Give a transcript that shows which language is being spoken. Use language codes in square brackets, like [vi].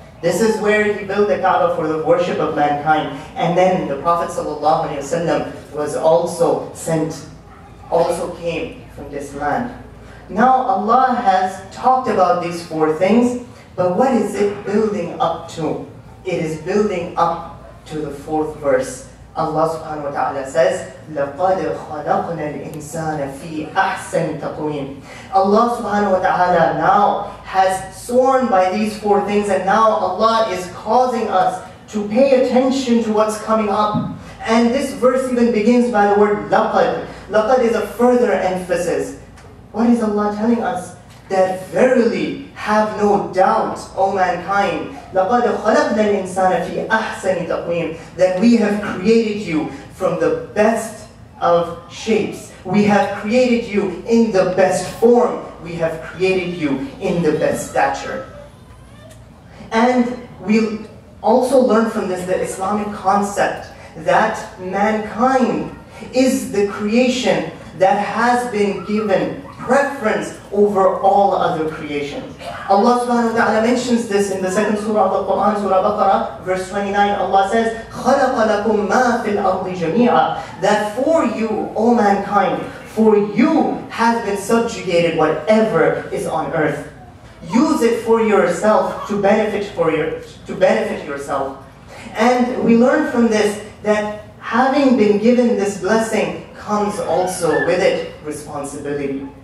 [en] This is where he built the Kaaba for the worship of mankind. And then the Prophet ﷺ was also sent, also came from this land. Now Allah has talked about these four things, but what is it building up to? It is building up to the fourth verse. Allah subhanahu wa ta'ala says, [ar] لَقَدْ خَلَقْنَا الْإِنسَانَ فِي أَحْسَنِ تَقْوِيمٍ. [en] Allah subhanahu wa ta'ala now has sworn by these four things, and now Allah is causing us to pay attention to what's coming up. And this verse even begins by the word لَقَدْ. لَقَدْ is a further emphasis. What is Allah telling us? That verily have no doubt, O mankind. [ar] لَقَدْ خَلَقْنَا الْإِنسَانَ فِي أَحْسَنِ تَقْوِيمٍ. [en] That we have created you from the best of shapes. We have created you in the best form. We have created you in the best stature. And we also learn from this the Islamic concept that mankind is the creation that has been given preference over all other creations. Allah subhanahu wa ta'ala mentions this in the second surah of the Qur'an, Surah Baqarah, verse 29. [ar] Allah says, خَلَقَ لَكُمْ مَا فِي الْأَرْضِ جَمِيعًا. [en] That for you, O mankind, for you has been subjugated whatever is on earth. Use it for yourself to benefit yourself. And we learn from this that having been given this blessing comes also with it responsibility.